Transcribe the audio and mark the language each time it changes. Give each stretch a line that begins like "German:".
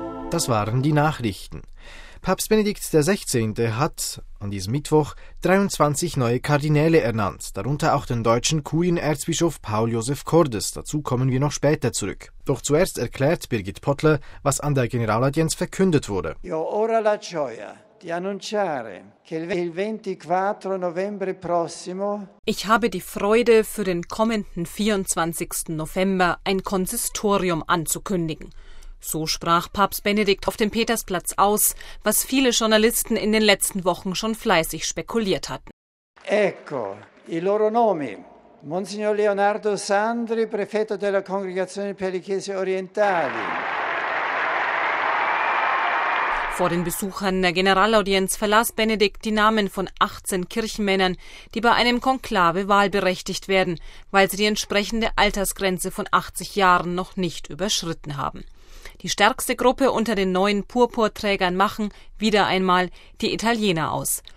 German: Das waren die Nachrichten. Papst Benedikt XVI. Hat an diesem Mittwoch 23 neue Kardinäle ernannt, darunter auch den deutschen Kurienerzbischof Paul Josef Cordes. Dazu kommen wir noch später zurück. Doch zuerst erklärt Birgit Pottler, was an der Generalaudienz verkündet wurde.
Italian: Io ora la gioia di annunciare che il 24 novembre prossimo.
German: Ich habe die Freude, für den kommenden 24. November ein Konsistorium anzukündigen. So sprach Papst Benedikt auf dem Petersplatz aus, was viele Journalisten in den letzten Wochen schon fleißig spekuliert hatten.
Italian: Ecco i loro nomi. Monsignor Leonardo Sandri, Prefetto della Congregazione per le Chiese Orientali.
German: Vor den Besuchern der Generalaudienz verlas Benedikt die Namen von 18 Kirchenmännern, die bei einem Konklave wahlberechtigt werden, weil sie die entsprechende Altersgrenze von 80 Jahren noch nicht überschritten haben. Die stärkste Gruppe unter den neuen Purpurträgern machen wieder einmal die Italiener aus.